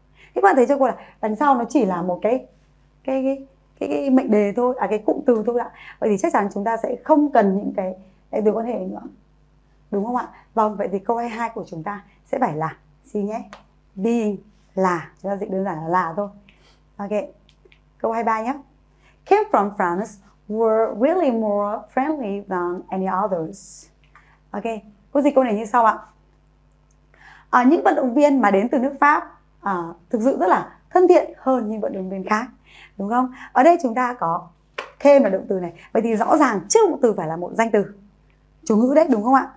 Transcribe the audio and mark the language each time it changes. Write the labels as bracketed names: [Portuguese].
[Vietnamese] Thế các bạn thấy cho cô là đằng sau nó chỉ là một cái mệnh đề thôi, à cái cụm từ thôi ạ. Vậy thì chắc chắn chúng ta sẽ không cần những cái đại từ quan hệ nữa, đúng không ạ? Vâng, vậy thì câu 22 của chúng ta sẽ phải là gì nhé? Being, là, chúng ta dịch đơn giản là thôi. Ok, câu 23 nhé. [English] Came from France were really more friendly than any others. [Vietnamese] Ok, cô dịch câu này như sau ạ. Những vận động viên mà đến từ nước Pháp thực sự rất là thân thiện hơn những vận động viên khác. đúng không? Ở đây chúng ta có thêm là động từ này. Vậy thì rõ ràng trước động từ phải là một danh từ chủ ngữ đấy, đúng không ạ?